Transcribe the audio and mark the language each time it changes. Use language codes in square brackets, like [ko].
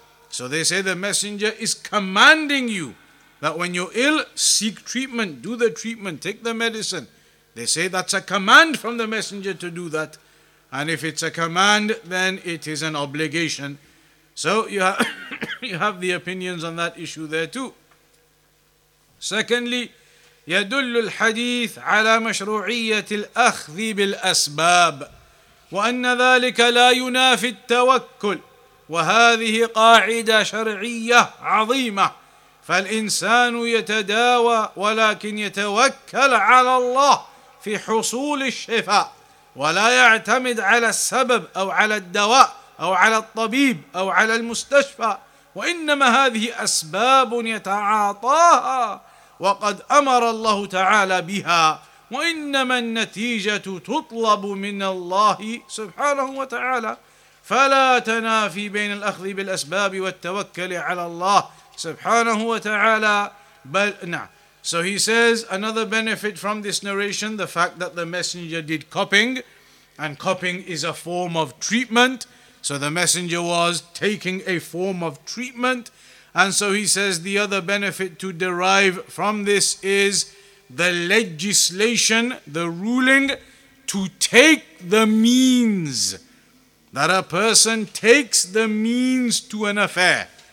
[en] So they say the messenger is commanding you that when you're ill, seek treatment, do the treatment, take the medicine. They say that's a command from the messenger to do that. And if it's a command, then it is an obligation. So you have you have the opinions on that issue there too. Secondly, [ar] يَدُلُّ الْحَدِيثُ عَلَى مَشْرُوعِيَّةِ الْأَخْذِ بِالْأَسْبَابِ وَأَنَّ ذَلِكَ لَا يُنَافِي التَّوَكُّلِ وهذه قاعدة شرعية عظيمة فالإنسان يتداوى ولكن يتوكل على الله في حصول الشفاء ولا يعتمد على السبب أو على الدواء أو على الطبيب أو على المستشفى وإنما هذه أسباب يتعاطاها وقد أمر الله تعالى بها وإنما النتيجة تطلب من الله سبحانه وتعالى فلا تنافي بين الأخذ بالأسباب والتوكل على الله سبحانه وتعالى بل نعم. [en] So he says another benefit from this narration, the fact that the messenger did cupping, and cupping is a form of treatment. So the messenger was taking a form of treatment. And so he says the other benefit to derive from this is the legislation, the ruling, to take the means, that a person takes the means to an affair.